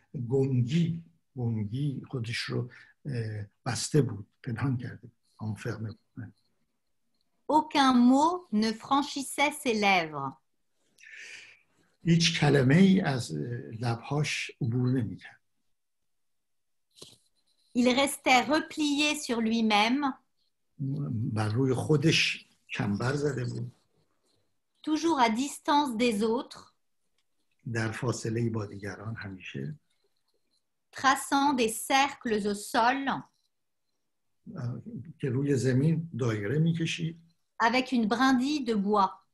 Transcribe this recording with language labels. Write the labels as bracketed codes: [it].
[fa] در یک گنگی خودش رو بسته بود, پنهان کرده, enfermé. [fr] Aucun mot ne franchissait ses lèvres. [fa] هیچ کلمه ای از لبهاش عبور نمی کرد. [fr] Il restait replié sur lui-même. [fa] بر روی خودش کمبر زده بود. [fr] Toujours à distance des autres. [fa] در فاصله با دیگران همیشه. [fr] Traçant des cercles au sol. [fa] که روی زمین دایره می کشید. [fr] Avec une brindille de bois.